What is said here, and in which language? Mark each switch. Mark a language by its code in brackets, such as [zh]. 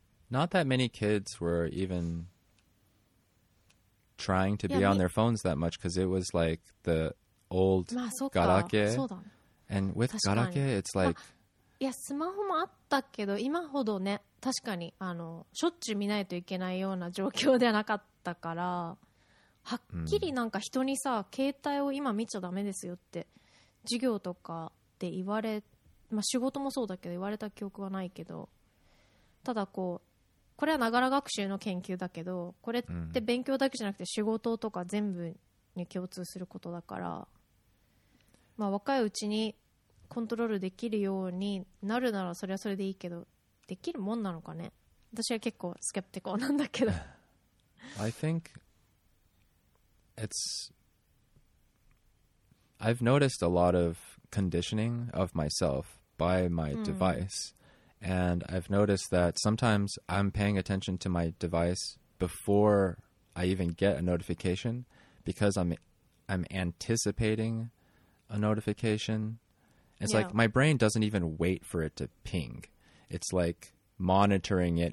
[en] Not that many kids were even trying to be on their phones that much, because it was like the old [ja] garake. [en] And with garake, it's like. [ja] いや、スマホもあったけど、今ほどね、確かにあのしょっちゅう見ないといけないような状況ではなかったから、はっきりなんか人にさ、携帯を今見ちゃダメですよって授業とか。って言われ、まあ、仕事もそうだけど言われた記憶はないけど、ただこうこれはながら学習の研究だけど、これって勉強だけじゃなくて仕事とか全部に共通することだから、まあ、若いうちにコントロールできるようになるならそれはそれでいいけど、できるもんなのかね。私は結構スケプティカルなんだけど。 [en] I think it's I've noticed a lot ofconditioning of myself by my device, and I've noticed that sometimes I'm paying attention to my device before I even get a notification, because I'm anticipating a notification. It's like my brain doesn't even wait for it to ping. It's like monitoring it.